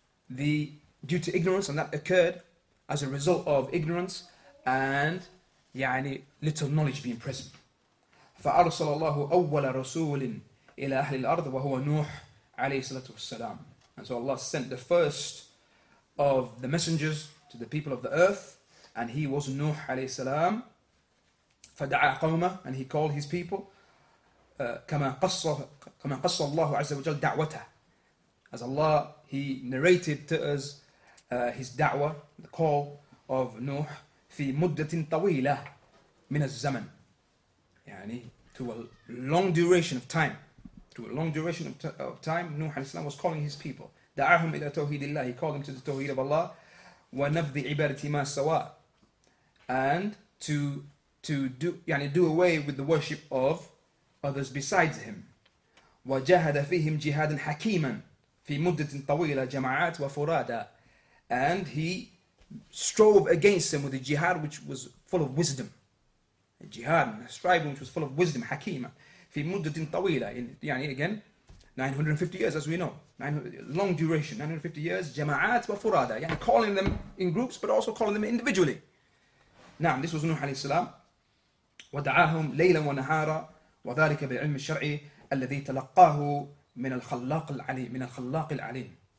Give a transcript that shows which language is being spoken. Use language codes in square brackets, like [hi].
[en] Due to ignorance, and that occurred as a result of ignorance and little knowledge being present. [ar] فأرسل الله أول رسول إلى أهل الأرض وهو نوح عليه الصلاة والسلام. [en] And so Allah sent the first of the messengers to the people of the earth, and he was [ar] نوح عليه السلام. فدعا قومه, [en] and he called his people. [ar] كما قص الله عز وجل دعوته. [en] As Allah, he narrated to us his da'wah, the call of Nuh, [ar] في مدة طويلة من الزمن. [en] To a long duration of time. Nuh alayhi salam was calling his people. [ar] دعاهم إلى توحيد الله. [en] He called them to the توحيد of Allah. [ar] ونبذ عبادة ما سواء. [en] And to do away with the worship of others besides him. [ar] وجهد فيهم جهادا حكيما. في مدة طويلة جماعات وفرادة. [en] And he strove against them with a jihad which was full of wisdom. A jihad, a striving which was full of wisdom, hakima. [ar] في مدة طويلة, [en] again, 950 years as we know. Long duration, 950 years, [ar] جماعات وفرادة. [en] Calling them in groups, but also calling them individually. Now, this was Nuh alayhi salam. [ar] ودعاهم ليلا ونهارا وذلك بالعلم الشرعي الذي تلقاه من الخلاق العليم, من الخلاق العليم.